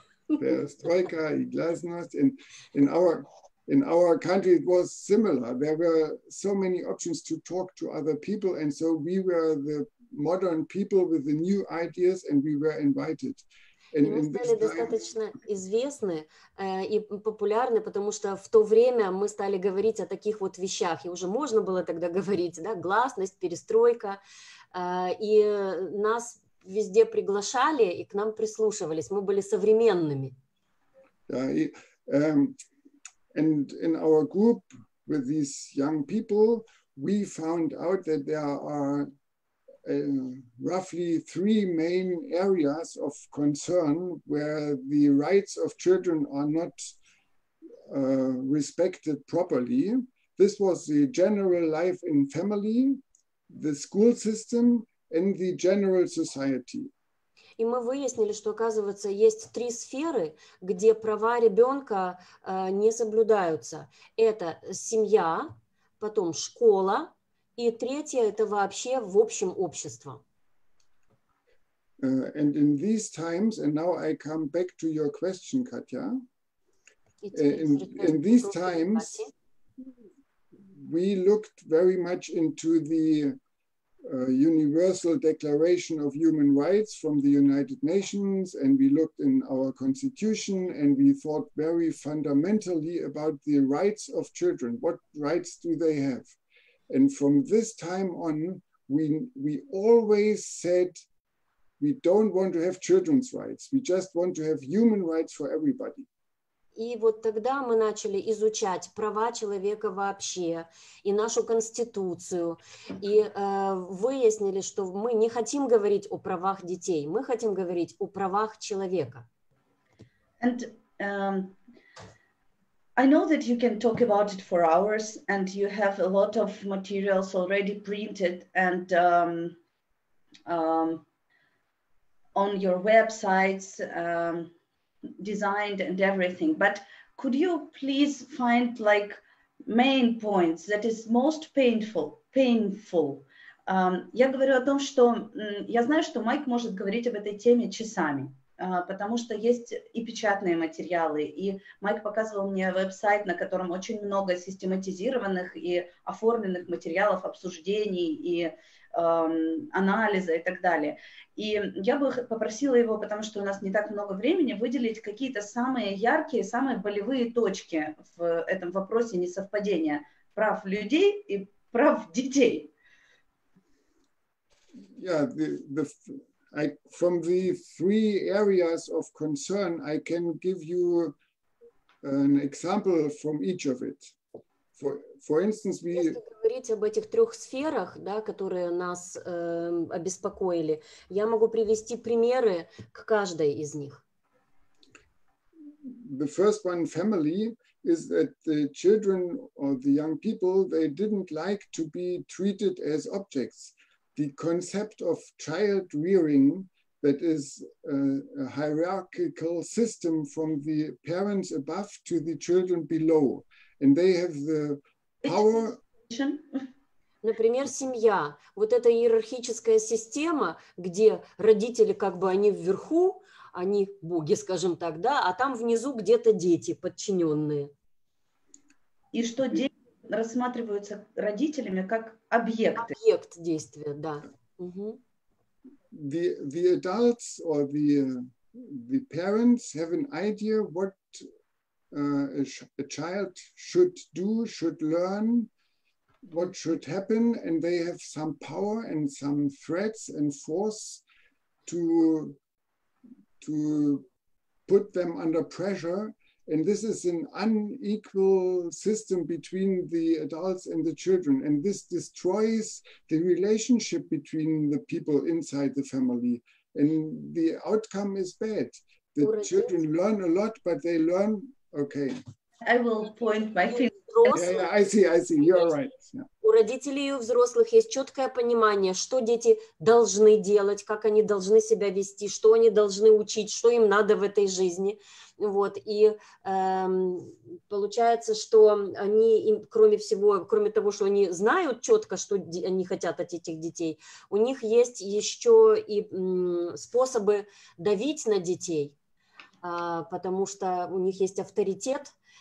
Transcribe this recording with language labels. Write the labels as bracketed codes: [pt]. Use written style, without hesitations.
[ru] Перестройка и глазность. [en] And in our country, it was similar. There were so many options to talk to other people, and so we were the modern people with the new ideas, and we were invited. [ru] And мы стали достаточно известны и популярны, потому что в то время мы стали говорить о таких вот вещах, и уже можно было тогда говорить, да, гласность, перестройка, и нас везде приглашали, и к нам прислушивались, мы были современными. [en] And in our group with these young people, we found out that there are roughly three main areas of concern where the rights of children are not respected properly. This was the general life in family, the school system, and the general society. [ru] И мы выяснили, что, оказывается, есть три сферы, где права ребенка не соблюдаются. Это семья, потом школа, и третье – это вообще в общем общество. [en] And in these times, and now I come back to your question, Katya. In these times, we looked very much into the Universal Declaration of Human Rights from the United Nations, and we looked in our constitution, and we thought very fundamentally about the rights of children. What rights do they have? And from this time on, we always said we don't want to have children's rights. We just want to have human rights for everybody. [ru] И вот тогда мы начали изучать права человека вообще и нашу конституцию. И выяснили, что мы не хотим говорить о правах детей, мы хотим говорить о правах человека. [en] And I know that you can talk about it for hours, and you have a lot of materials already printed and on your websites, designed and everything, but could you please find like main points that is most painful? [ru] Я говорю о том, что я знаю, что Майк может говорить об этой теме часами, потому что есть и печатные материалы, и Майк показывал мне веб-сайт, на котором очень много систематизированных и оформленных материалов обсуждений и анализа и так далее. И я бы попросила его, потому что у нас не так много времени, выделить какие-то самые яркие, самые болевые точки в этом вопросе несовпадения прав людей и прав детей. [en] Yeah, from the three areas of concern, I can give you an example from each of it. For instance, we... [ru] Если говорить об этих трех сферах, да, которые нас обеспокоили, я могу привести примеры к каждой из них. [en] The first one, family, is that the children or the young people, they didn't like to be treated as objects. The concept of child rearing, that is a hierarchical system from the parents above to the children below. And they have the power... [ru] Например, семья. Вот эта иерархическая система, где родители как бы они вверху, они боги, скажем так, да, а там внизу где-то дети подчиненные. И что дети рассматриваются родителями как объекты. Объект действия, да. Угу. [en] The adults or the parents have an idea what a child should do, should learn, what should happen, and they have some power and some threats and force to put them under pressure. And this is an unequal system between the adults and the children. And this destroys the relationship between the people inside the family. And the outcome is bad. The children learn a lot, but they learn, okay. I will point my finger. Yeah, I see, you're right. [ru] У родителей и у взрослых есть четкое понимание, что дети должны делать, как они должны себя вести, что они должны учить, что им надо в этой жизни. Вот. И получается, что они, им, кроме всего, кроме того, что они знают четко, что они хотят от этих детей, у них есть еще и способы давить на детей, потому что у них есть авторитет.